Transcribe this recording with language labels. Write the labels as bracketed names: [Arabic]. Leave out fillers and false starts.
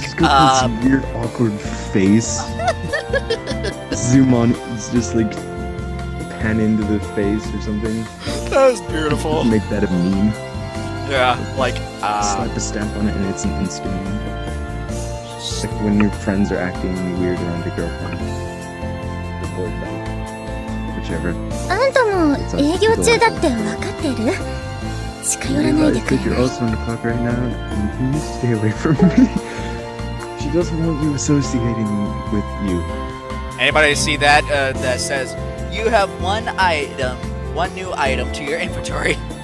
[English] she's got this weird, awkward face. Zoom-on is just like, pan into the face or something. That was beautiful. Make that a meme. Yeah, like, slap a stamp on it and it's an instant meme. It's like when your friends are acting weird around your girlfriend. Whichever. [Japanese] あんたも営業中だって分かってる？近寄らないでくれ。 [English] I think you're also in the park right now. Please stay away from me. She doesn't want you associating with you. Anybody see that, that says, you have one item, one new item to your inventory.